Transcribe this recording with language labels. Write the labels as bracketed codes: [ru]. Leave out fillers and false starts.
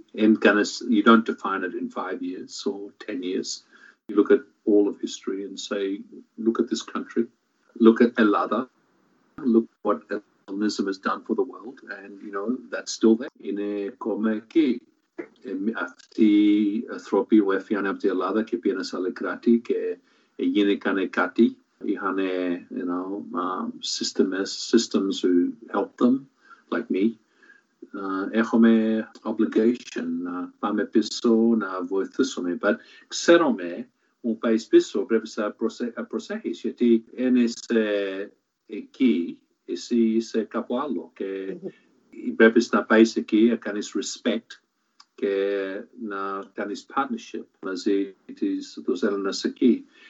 [en] You don't define it in 5 years or 10 years. You look at all of history and say, look at this country. Look at Ελλάδα. Look what Hellenism has done for the world. And, you know, that's still there. [el] Είναι ακόμα εκεί. Αυτοί οι άνθρωποι που έφυγαν από την Ελλάδα και πήγαν σε άλλα κράτη και γίνηκαν κάτι. Είχαν, [en] you know, systems who help them, like me. [el] Έχουμε obligation να πάμε πίσω, να βοηθήσουμε. But ξέρουμε, μου πάει πίσω, πρέπει να προσέχεις, γιατί είναι εκεί, εσύ είσαι κάπου άλλο. Και πρέπει να πάεις εκεί, να κάνεις respect και να κάνεις partnership μαζί τους Έλληνες εκεί.